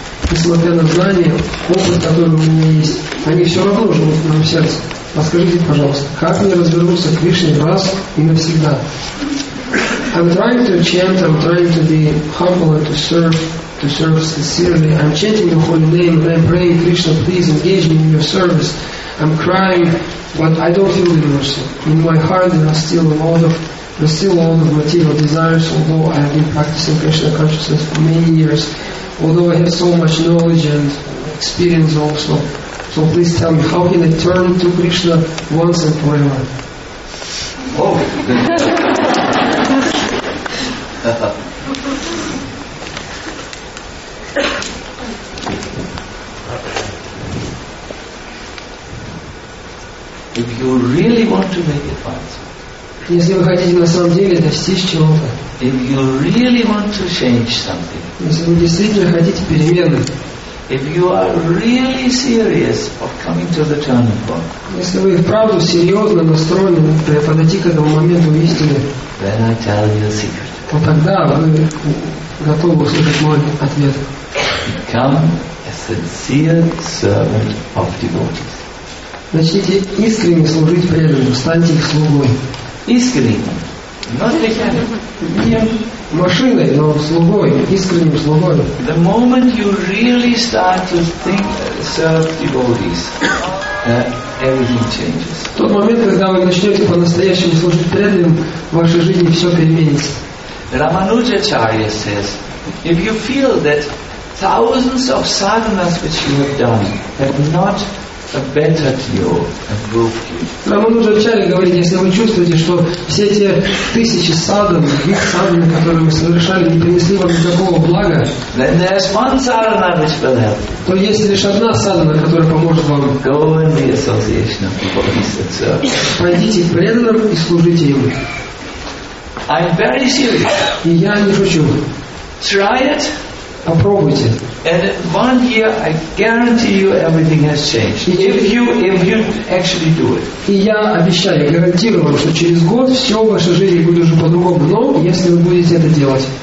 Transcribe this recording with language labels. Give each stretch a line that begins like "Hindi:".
Russian: Несмотря на знания, опыт, который у меня есть, они все равно живут в моем сердце. Подскажите, пожалуйста, как мне развернуться к Кришне раз и навсегда?
English: I'm trying to chant, I'm trying to be humble and to serve sincerely. I'm chanting your holy name and I'm praying, Krishna, please engage me in your service. I'm crying, but I don't feel the mercy. In my heart there's still a lot of material desires, although I have been practicing Krishna consciousness for many years, although I have so much knowledge and experience also. So please tell me, how can I turn to Krishna once and forever? Oh! If you really want to make advancement,
Russian: если вы хотите на самом деле достичь чего-то,
English: if you really want to change something,
Russian: если вы действительно хотите перемены,
English: if you are really serious of coming to the turning point,
Russian: если вы вправду серьезно настроены подойти к этому моменту истины,
English: then I tell you a secret.
Russian: То тогда вы готовы услышать мой ответ.
English: Become a sincere servant of devotees.
Russian: Начните искренне служить преданным, станьте их слугой. Искренне. Машиной, но слугой, искренним слугой.
English: The moment you really start to think, serve devotees, everything changes.
Russian: В тот момент, когда вы начнете по-настоящему служить преданным, в вашей жизни все переменится.
English: Рамануджачарья says, if you feel that thousands of sadhanas which you have done have not bettered you, improved you.
Russian: Рамануджачарья говорит, если вы чувствуете, что все эти тысячи садан, их садан, которые вы совершали, не принесли вам никакого блага,
English: then there's one sadhana which will help.
Russian: То есть лишь одна садана, которая поможет вам.
English: Go and be association of devotees and serve.
Russian: Пойдите к преданным и служите им.
English: I'm very serious.
Russian: И я не шучу.
English: Try it.
Russian: Попробуйте.
English: And one year, I guarantee you, everything has changed. If you actually do it.
Russian: И я обещаю, гарантирую вам, что через год все в вашей жизни будет уже по-другому. Но если вы будете это делать.